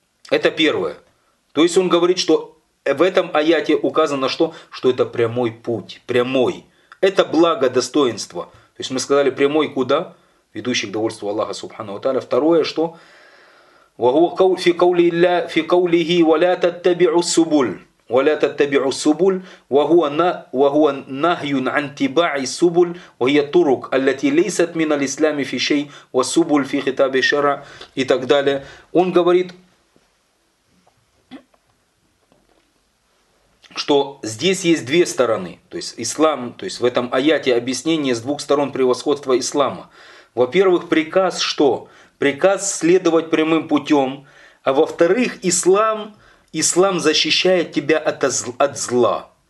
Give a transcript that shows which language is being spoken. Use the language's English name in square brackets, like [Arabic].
[Russian] Это первое. То есть он говорит, что в этом аяте указано, что это прямой путь, прямой. Это благо, достоинство. То есть мы сказали, прямой куда? Ведущий к довольству Аллаха Субхану Тааля. Второе, что? [Arabic] «Вахуа фи каули илля, фи каулихи, ва ля таттабиу субуль». ولا تتبعوا السبل وهو نهي عن اتباع السبل وهي طرق التي ليست من الاسلام في شيء والسبل في خطاب الشرع [Russian] и так далее. Он говорит, что здесь есть две стороны, то есть ислам, то есть в этом аяте объяснение с двух сторон превосходства ислама. Во-первых, приказ что? Приказ следовать прямым путем, а во-вторых, ислам защищает тебя от зла.